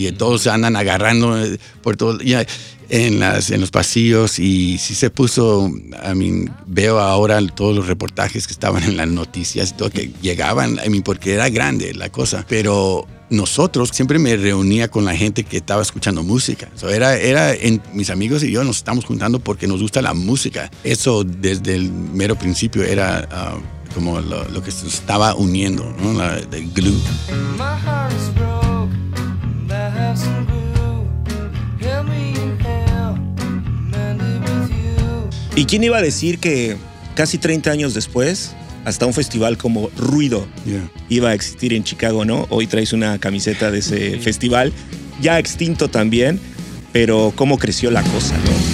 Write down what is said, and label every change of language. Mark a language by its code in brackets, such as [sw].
[es] Y todos se andan agarrando por todo, ya. En los pasillos, y sí se puso, [en] I mean, [es] veo ahora todos los reportajes que estaban en las noticias y todo, que llegaban, I mean, porque era grande la cosa. Pero nosotros, siempre me reunía con la gente que estaba escuchando música. So era mis amigos y yo nos estamos juntando porque nos gusta la música. Eso desde el mero principio era como lo que se estaba uniendo, ¿no? [en] The glue. My heart is broke, and I have some glue. Help me. [es] ¿Y quién iba a decir que casi 30 años después, hasta un festival como Ruido iba a existir en Chicago, ¿no? Hoy traes una camiseta de ese festival, ya extinto también, pero cómo creció la cosa, ¿no?